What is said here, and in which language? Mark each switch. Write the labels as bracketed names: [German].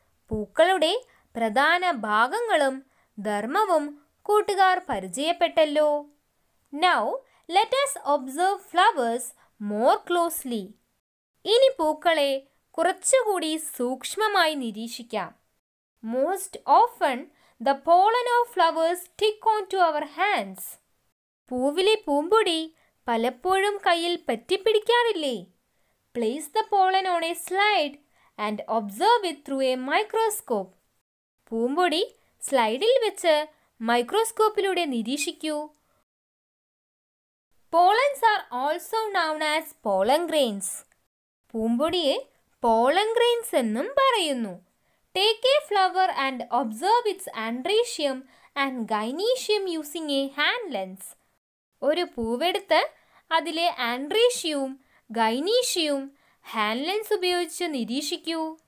[Malayalam] പൂക്കളുടെ പ്രധാന ഭാഗങ്ങളും ധർമ്മവും കൂട്ടുകാർ പരിചയപ്പെട്ടല്ലോ. [English] Now let us observe flowers more closely. [Malayalam] ഇനി പൂക്കളെ കുറച്ചുകൂടി സൂക്ഷ്മമായി നിരീക്ഷിക്കാം. [English] Most often the pollen of flowers stick onto our hands. [Malayalam] പൂവിലെ പൂമ്പൊടി പലപ്പോഴും കയ്യിൽ പറ്റിപ്പിടിക്കാറില്ലേ? [English] Place the pollen on a slide and observe it through a microscope. [Malayalam] പൂമ്പൊടി സ്ലൈഡിൽ വെച്ച് മൈക്രോസ്കോപ്പിലൂടെ നിരീക്ഷിക്കൂ. [English] Pollens are also known as pollen grains. [Malayalam] പൂമ്പൊടിയെ pollen grains എന്നും പറയുന്നു. [English] Take a flower and observe its andrecium and gynecium using a hand lens. [Malayalam] ഒരു പൂവെടുത്ത് അതിലെ ആൻഡ്രീഷ്യവും ഗൈനീഷ്യവും hand lens ഉപയോഗിച്ച് നിരീക്ഷിക്കൂ.